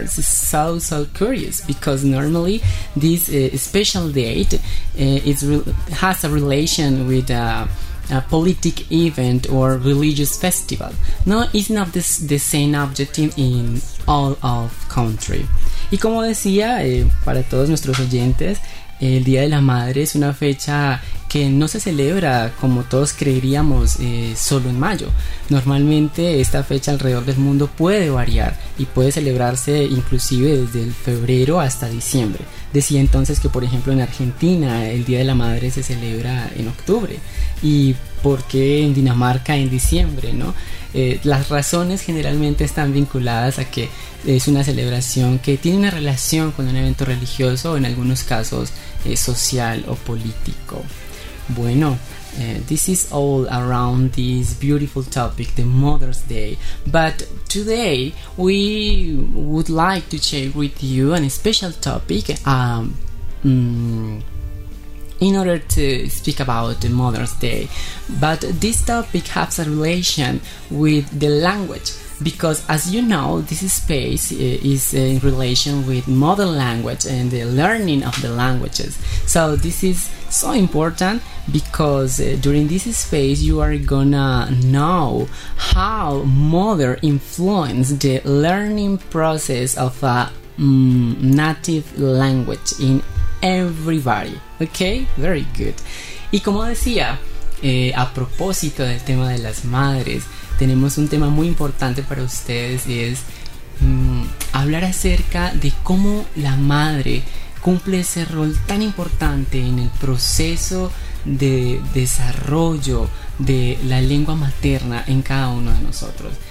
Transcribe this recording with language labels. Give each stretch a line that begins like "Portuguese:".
English: It's so curious, because normally this special date has a relation with a politic event or religious festival. No, it's not the same objective in all of country.
Spanish: Y como decía, para todos nuestros oyentes, el Día de la Madre es una fecha que no se celebra como todos creeríamos solo en mayo. Normalmente esta fecha alrededor del mundo puede variar y puede celebrarse inclusive desde el febrero hasta diciembre. Decía entonces que, por ejemplo, en Argentina el Día de la Madre se celebra en octubre, y por qué en Dinamarca en diciembre, ¿no? Las razones generalmente están vinculadas a que es una celebración que tiene una relación con un evento religioso o en algunos casos social o político.
English: Bueno, this is all around this beautiful topic, the Mother's Day. But today we would like to share with you a special topic in order to speak about the Mother's Day. But this topic has a relation with the language, because as you know, this space is in relation with mother language and the learning of the languages. So this is so important, because during this space you are gonna know how mother influence the learning process of a native language in everybody. Okay, very good.
Spanish: Y como decía, a propósito del tema de las madres, tenemos un tema muy importante para ustedes, y es hablar acerca de cómo la madre cumple ese rol tan importante en el proceso de desarrollo de la lengua materna en cada uno de nosotros.